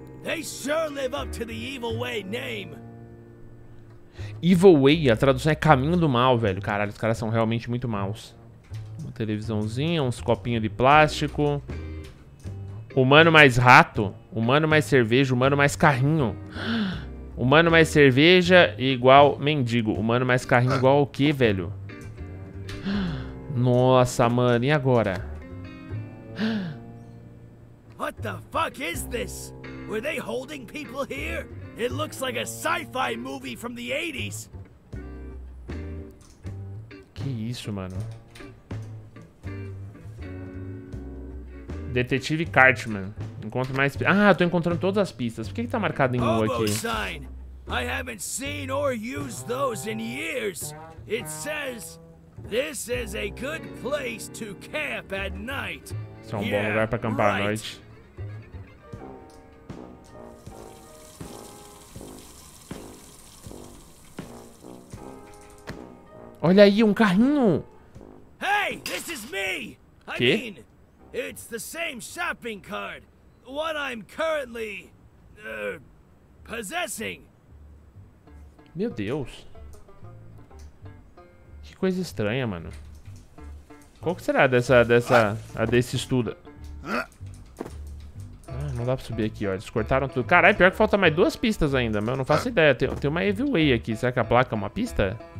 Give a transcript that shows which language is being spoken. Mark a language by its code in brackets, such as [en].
[en] They sure live up to the Evil Way name. [pt] Evil Way, a tradução é caminho do mal, velho. Caralho, os caras são realmente muito maus. Uma televisãozinha, uns copinhos de plástico. Humano mais rato, humano mais cerveja, humano mais carrinho. Humano mais cerveja igual mendigo. Humano mais carrinho igual o quê, velho? Nossa, mano, e agora? [en] What the fuck is this? Were they holding people here? It looks like a sci-fi movie from the 80s. [pt] Que isso, mano? Detetive Cartman. Encontro mais... Ah, tô encontrando todas as pistas. Por que que tá marcado em U aqui? Hobo sign. [en] I haven't seen or used those in years. It says, this is a good place to camp at night. [pt] Isso é um bom lugar pra acampar à noite. Olha aí, um carrinho! [en] Hey, this is me! I mean, it's the same shopping cart. What I'm currently possessing. [pt] Meu Deus. Que coisa estranha, mano. Qual que será desse estudo? Ah, não dá pra subir aqui, ó. Eles cortaram tudo. Caralho, pior que falta mais duas pistas ainda, mas eu não faço ideia. Tem uma Evil Way aqui. Será que a placa é uma pista?